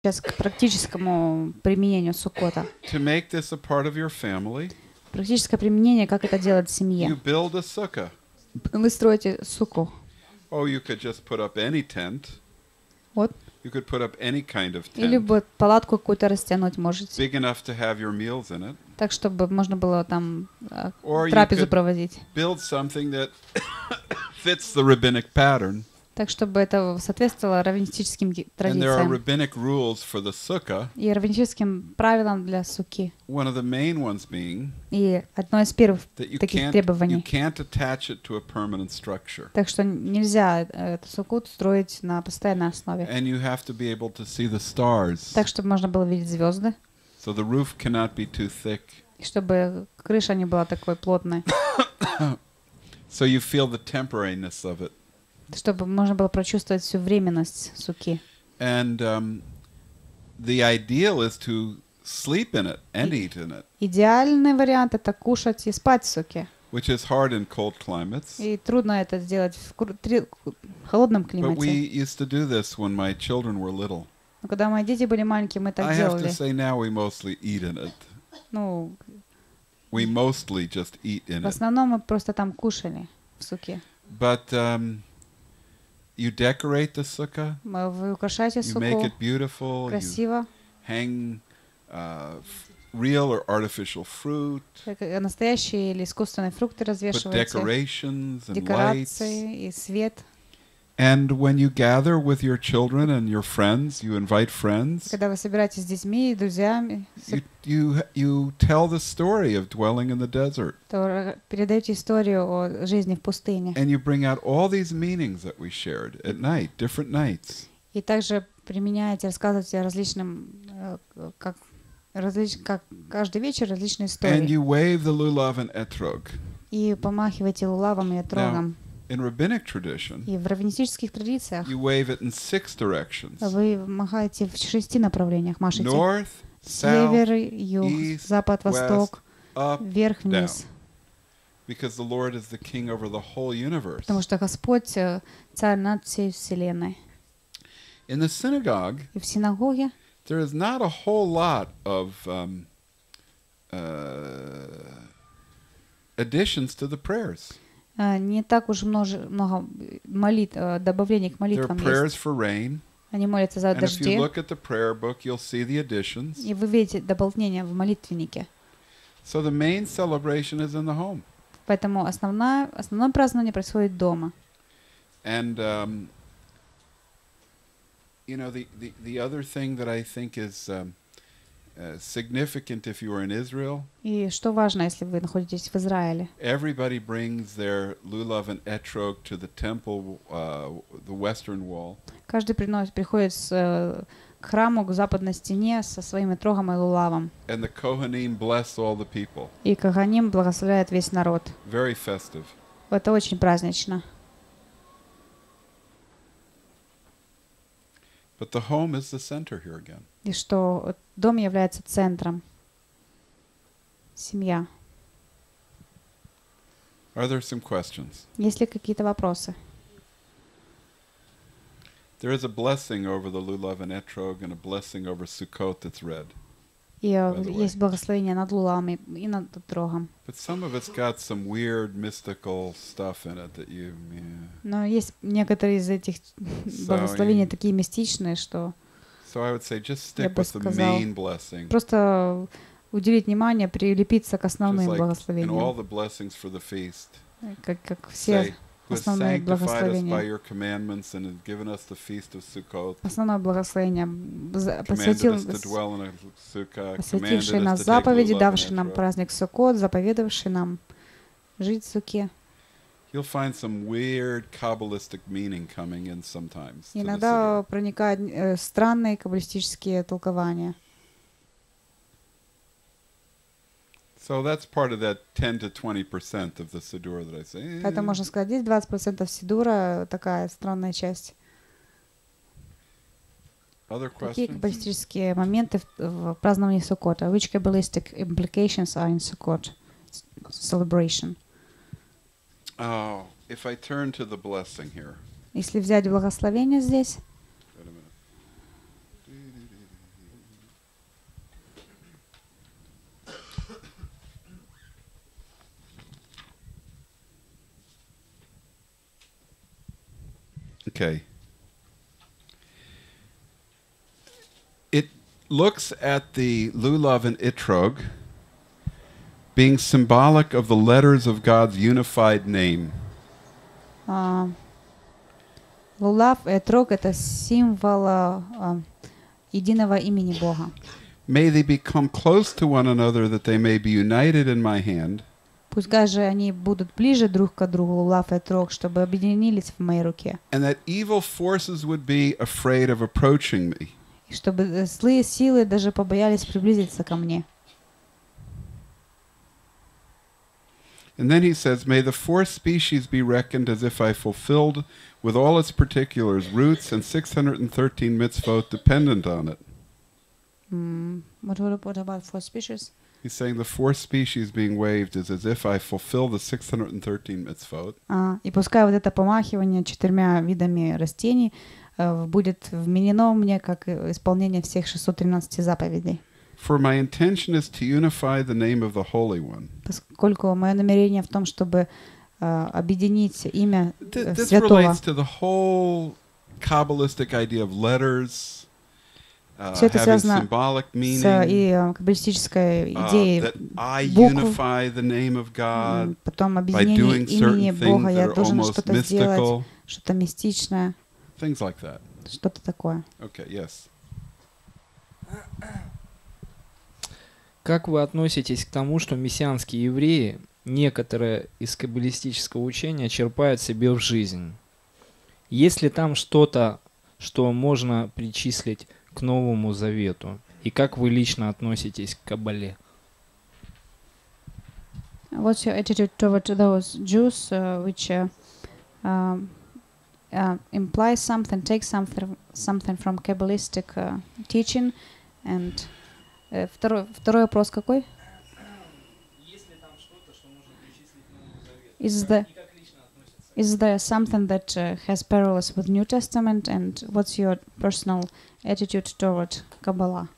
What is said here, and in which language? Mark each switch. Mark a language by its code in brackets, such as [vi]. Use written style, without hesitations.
[ru] сейчас к практическому применению суккота. [en] To make this a part of your family. [ru] Практическое применение, как это делать в семье. [en] You build a sukkah. [ru] Вы строите сукку. [en] Oh, you could just put up any tent. What? You could put up any kind of tent. [ru] Или вот палатку какую-то растянуть можете. [en] Big enough to have your meals in it. [ru] Так, чтобы можно было там трапезу проводить. [en] Or you could build something that fits the rabbinic pattern. [ru] Так, чтобы это соответствовало раввинистическим традициям. [en] And there are rabbinic rules for the sukkah. [ru] И раввинистическим правилам для сукки. [en] One of the main ones being. [ru] И одно из первых таких требований. [en] You can't attach it to a permanent structure. [ru] Так что нельзя эту сукку строить на постоянной основе. [en] And you have to be able to see the stars. [ru] Так, чтобы можно было видеть звезды. [en] So the roof cannot be too thick. [ru] И чтобы крыша не была такой плотной. [en] So you feel the temporariness of it. [ru] Чтобы можно было прочувствовать всю временность сукки. [en] And the ideal is to sleep in it and eat in it. [ru] Идеальный вариант это кушать и спать в сукке. [en] Which is hard in cold climates. [ru] И трудно это сделать в холодном климате. [en] But we used to do this when my children were little. [ru] Но когда мои дети были маленькие, мы так делали. [en] I have to say now we mostly eat in it. [ru] Ну. [en] We mostly just eat in it. [ru] В основном мы просто там кушали в сукке. [en] But you decorate the sukkah. [ru] Вы украшаете сукку. [en] You make it beautiful. [ru] Красиво. [en] Hang real or artificial fruit. [ru] Настоящие или искусственные фрукты развешиваете. [en] Put decorations and лайтс. [ru] Декорации и свет. [en] And when you gather with your children and your friends, you invite friends. [ru] Когда вы собираетесь с детьми и друзьями. [en] You tell the story of dwelling in the desert. [ru] То передаете историю о жизни в пустыне. [en] And you bring out all these meanings that we shared at night, different nights. [ru] И также применяете, рассказываете о различном, как каждый вечер различные истории. [en] And you wave the lulav and etrog. [ru] И помахиваете лулавом и этрогом. [en] In rabbinic tradition, [ru] и в раввинистических традициях [en] you wave it in six directions. [ru] Вы махаете в шести направлениях, машете. [en] North, [ru] север, [en] south, [ru] юг, [en] east, [ru] запад, восток, [en] west, up, [ru] вверх, вниз. [en] Because the Lord is the king over the whole universe. [ru] Потому что Господь царь над всей вселенной. [en] In the synagogue, [ru] и в синагоге [en] there is not a whole lot of additions to the prayers. [ru] Не так уж много молитв, добавлений к молитвам есть. [en] Rain, [ru] они молятся за дожди. [en] Look at the prayer book, you'll see the additions. [ru] И вы видите дополнения в молитвеннике. [en] So the main celebration is in the home. [ru] Поэтому основное празднование происходит дома. [en] And you know the other thing that I think is significant if you are in Israel. [ru] И что важно, если вы находитесь в Израиле? [en] Everybody brings their lulav and etrog to the temple, the western wall. [ru] Каждый приходит к храму к западной стене со своим этрогом и лулавом. [en] And the kohanim bless all the people. [ru] И коханим благословляет весь народ. [en] Very festive. [ru] Это очень празднично. [en] But the home is the center here again. [ru] И что дом является центром. Семья. [en] Are there some questions? [ru] Есть ли какие-то вопросы? [en] There is a blessing over the lulav and etrog and a blessing over Sukkot that's read. [ru] И есть благословение над лулавом и над этрогом. [en] But some of it's got some weird mystical stuff in it that you. [ru] Но есть некоторые из этих благословений такие мистичные, что. [en] So I would say just stick with the main blessing. [ru] Просто уделить внимание, прилепиться к основным благословениям. [en] And all the blessings for the feast. [ru] Как все основные благословения. [en] Sanctified us by your commandments and has given us the feast of Sukkot. [ru] Основное благословение посвятил посвятивший нас заповеди, давший нам праздник Суккот, заповедавший нам жить в сукке. [en] You'll find some weird kabbalistic meaning coming in sometimes. [ru] Иногда проникают странные каббалистические толкования. [en] So that's part of that 10-20% of the siddur that I say. [ru] Это можно сказать, здесь 20% сидура такая странная часть. [en] Other questions. [ru] Какие каббалистические моменты в праздновании Суккота? [en] Which kabbalistic implications are in Sukkot celebration? Oh, if I turn to the blessing here. [ru] Если взять благословение здесь. [en] Wait a minute. Okay. It looks at the lulav and itrog being symbolic of the letters of God's unified name. [ru] Лулав и этрог — это символ единого имени Бога. [en] May they become close to one another that they may be united in my hand. [ru] Пусть даже они будут ближе друг к другу, лулав и этрог, чтобы объединились в моей руке. [en] And that evil forces would be afraid of approaching me. [ru] И чтобы злые силы даже побоялись приблизиться ко мне. [en] And then he says, may the fourth species be reckoned as if I fulfilled with all its particulars, roots and 613 mitzvot dependent on it. What about fourth species? He's saying the fourth species being waved is as if I fulfill the 613 mitzvot. [ru] И пускай вот это помахивание четырьмя видами растений будет вменено мне как исполнение всех 613 заповедей. [en] For my intention is to unify the name of the Holy One. [ru] Поскольку мое намерение в том, чтобы объединить имя Святого. [en] This relates to the whole Kabbalistic idea of letters having symbolic meaning. [ru] Все это связано с каббалистической идеей букв. [en] That I unify the name of God by doing certain things that are almost mystical. [ru] Что-то мистичное. [en] Things like that. [ru] Что-то такое. [en] Okay, yes. [ru] Как вы относитесь к тому, что мессианские евреи некоторое из каббалистического учения черпают себе в жизнь? Есть ли там что-то, что можно причислить к Новому Завету? И как вы лично относитесь к Каббале? [en] What's your attitude toward those Jews which imply something, take something from Kabbalistic teaching and... [ru] Второй вопрос какой? Есть ли там что-то, что можно причислить к Новому Завету? [en] Is there something that has parallels with New Testament, and what's your personal attitude toward Kabbalah?